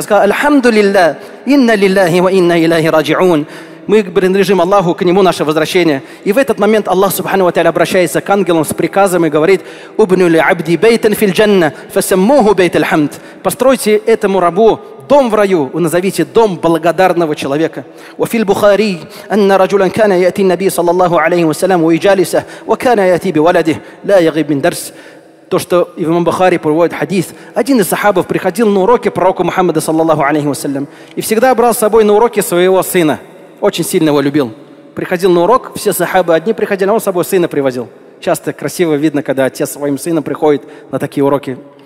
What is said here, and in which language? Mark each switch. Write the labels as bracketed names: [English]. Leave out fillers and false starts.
[Russian] Сказал: [Arabic] «Альхамду лилля, инна лиллахи ва инна илляхи раджиун». [Russian] Мы принадлежим Аллаху, к нему наше возвращение. И в этот момент Аллах Субхану ва Тааля обращается к ангелам с приказом и говорит: [Arabic] «Убну ли абди бейтан фил джанна, фасаммуху бейт альхамд». [Russian] «Постройте этому рабу дом в раю, назовите дом благодарного человека». [Arabic] وفي البخاري أن رجلا كان يأتي النبي صلى الله عليه وسلم ويجالسه وكان يأتي بولده لا يغيب من درس. [Russian] То, что Имам Бухари приводит хадис. Один из сахабов приходил на уроки пророка Мухаммада, саллаллаху алейхи вассалям, и всегда брал с собой на уроки своего сына. Очень сильно его любил. Приходил на урок, все сахабы одни приходили, а он с собой сына привозил. Часто красиво видно, когда отец своим сыном приходит на такие уроки.